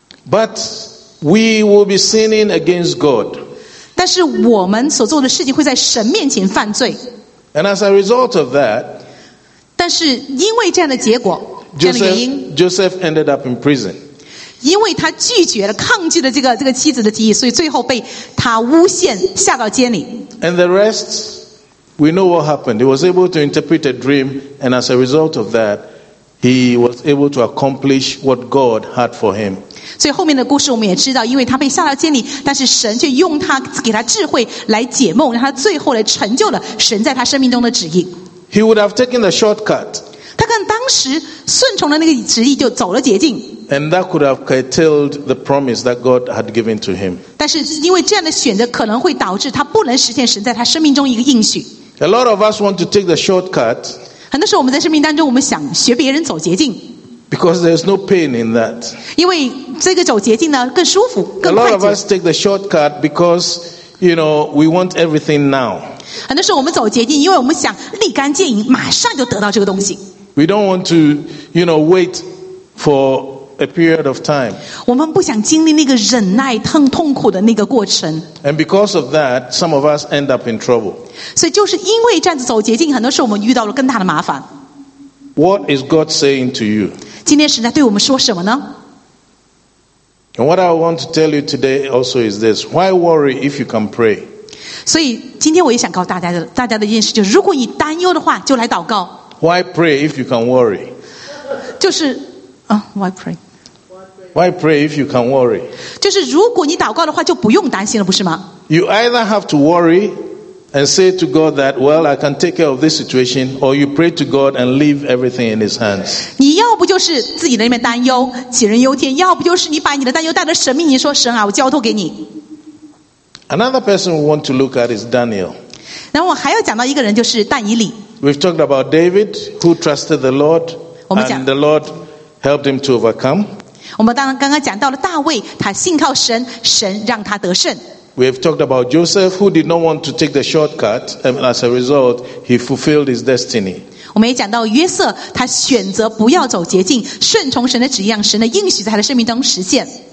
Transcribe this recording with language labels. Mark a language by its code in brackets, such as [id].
[en] But we will be sinning against God. [zh] 但是我们所做的事情会在神面前犯罪。 [en] And as a result of that, [zh] 但是因为这样的结果，这样的原因 [en] ，Joseph ended up in prison. [zh] 因为他拒绝了、抗拒了这个妻子的提议，所以最后被他诬陷下到监里。 [en] And the rest. We know what happened. He was able to interpret a dream, and as a result of that, he was able to accomplish what God had for him. [zh] 所以后面的故事我们也知道，因为他被下到监里，但是神却用他给他智慧来解梦，让他最后来成就了神在他生命中的旨意。 [en] He would have taken the shortcut. [zh] 他看当时顺从了那个旨意，就走了捷径。 [en] And that could have curtailed the promise that God had given to him. [zh] 但是因为这样的选择可能会导致他不能实现神在他生命中一个应许。 [en] A lot of us want to take the shortcut. [zh] 很多时候我们在生命当中，我们想学别人走捷径。 [en] Because there's no pain in that. [zh] 因为这个走捷径呢更舒服，更快捷。 [en] A lot of us take the shortcut because, you know, we want everything now. [zh] 很多时候我们走捷径，因为我们想立竿见影，马上就得到这个东西。 [en] We don't want to, you know, wait for a period of time. [zh] 我们不想经历那个忍耐、痛苦的那个过程。 [en] And because of that, some of us end up in trouble. [zh] 所以就是因为这样子走捷径，很多时候我们遇到了更大的麻烦。 [en] What is God saying to you? [zh] 今天神在对我们说什么呢? [en] And what I want to tell you today also is this. Why worry if you can pray? [zh] 所以今天我也想告诉大家的一件事，就是如果你担忧的话，就来祷告。 [en] Why pray if you can worry? [zh] 就是 [en] why pray? Why pray if you can worry? [zh] 就是如果你祷告的话，就不用担心了，不是吗? [en] You either have to worry... And say to God that, well, I can take care of this situation, or you pray to God and leave everything in His hands. [zh] 你要不就是自己在那边担忧，杞人忧天；要不就是你把你的担忧带到神面前，说神啊，我交托给你。 [en] Another person we want to look at is Daniel. [zh] 然后我还要讲到一个人，就是但以理。 [en] We've talked about David who trusted the Lord, and the Lord helped him to overcome. [zh] 我们刚刚讲到了大卫，他信靠神，神让他得胜。 [en] We have talked about Joseph who did not want to take the shortcut and as a result, he fulfilled his destiny. [zh] 我们也讲到约瑟，他选择不要走捷径，顺从神的旨意，让神的应许在他的生命中实现。